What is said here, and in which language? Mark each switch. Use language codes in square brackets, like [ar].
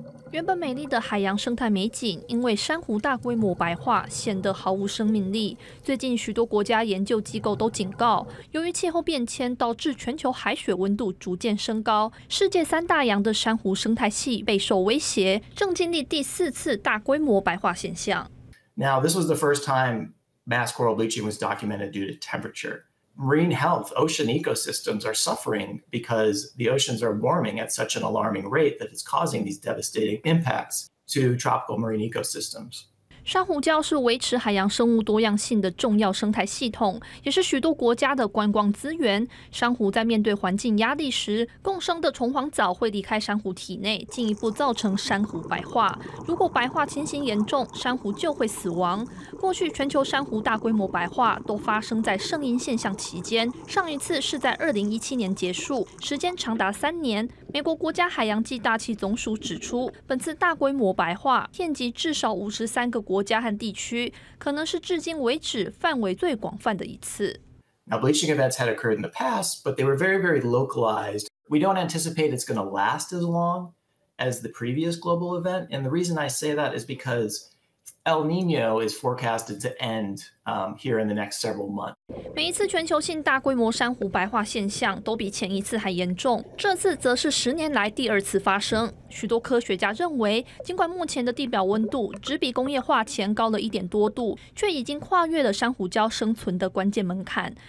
[zh] 原本美丽的海洋生态美景，因为珊瑚大规模白化，显得毫无生命力。最近，许多国家研究机构都警告，由于气候变迁导致全球海水温度逐渐升高，世界三大洋的珊瑚生态系备受威胁，正经历第四次大规模白化现象。 [en] Now, this was the first time mass coral bleaching was documented due to temperature. Marine health, ocean ecosystems are suffering because the oceans are warming at such an alarming rate that it's causing these devastating impacts to tropical marine ecosystems. [zh] 珊瑚礁是维持海洋生物多样性的重要生态系统，也是许多国家的观光资源。珊瑚在面对环境压力时，共生的虫黄藻会离开珊瑚体内，进一步造成珊瑚白化。如果白化情形严重，珊瑚就会死亡。过去全球珊瑚大规模白化都发生在圣婴现象期间，上一次是在2017年结束，时间长达3年。美国国家海洋暨大气总署指出，本次大规模白化遍及至少53个国家和地区，可能是至今为止范围最广泛的一次。 [en] Now, bleaching events had occurred in the past, but they were very, very localized. We don't anticipate it's going to last as long as the previous global event. And the reason I say that is because El Nino is forecasted to end here in the next several months. [zh] 每一次全球性大规模珊瑚白化现象都比前一次还严重，这次则是10年来第二次发生。许多科学家认为，尽管目前的地表温度只比工业化前高了1.多度，却已经跨越了珊瑚礁生存的关键门槛。